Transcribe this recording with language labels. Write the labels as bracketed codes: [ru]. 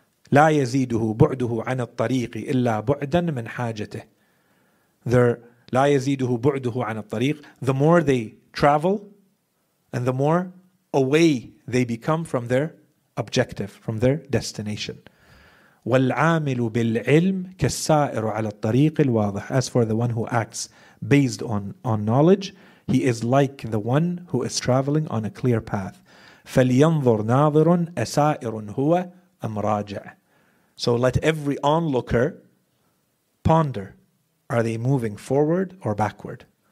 [ar] لا يزيده بعده عن الطريق إلا بعدا من حاجته. لا يزيده بعده عن الطريق. [en] The more they travel and the more away they become from their objective, from their destination. [ar] والعامل بالعلم كالسائر على الطريق الواضح. [en] As for the one who acts based on knowledge, he is like the one who is traveling on a clear path. [ar] فَلْيَنْظُرْ نَاظِرٌ أَسَائِرٌ هُوَ أَمْ رَاجِعٌ. [en] So let every onlooker ponder, are they moving forward or backward?